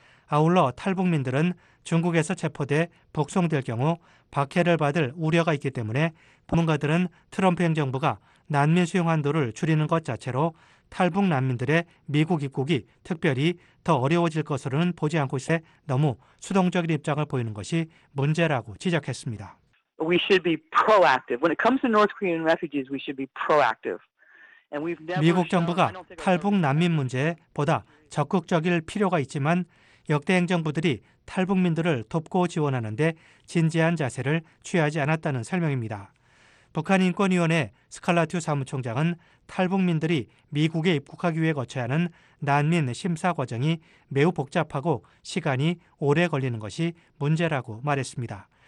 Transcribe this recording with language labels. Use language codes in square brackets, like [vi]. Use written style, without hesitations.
[ko] 아울러 탈북민들은 중국에서 체포돼 복송될 경우 박해를 받을 우려가 있기 때문에 전문가들은 트럼프 행정부가 난민 수용 한도를 줄이는 것 자체로 탈북 난민들의 미국 입국이 특별히 더 어려워질 것으로는 보지 않고 있어 너무 수동적인 입장을 보이는 것이 문제라고 지적했습니다. [en] We should be proactive. When it comes to North Korean refugees, we should be proactive. [ko] 미국 정부가 탈북 난민 문제보다 적극적일 필요가 있지만 역대 행정부들이 탈북민들을 돕고 지원하는 데 진지한 자세를 취하지 않았다는 설명입니다. 북한인권위원회 스칼라튜 사무총장은 탈북민들이 미국에 입국하기 위해 거쳐야 하는 난민 심사 과정이 매우 복잡하고 시간이 오래 걸리는 것이 문제라고 말했습니다.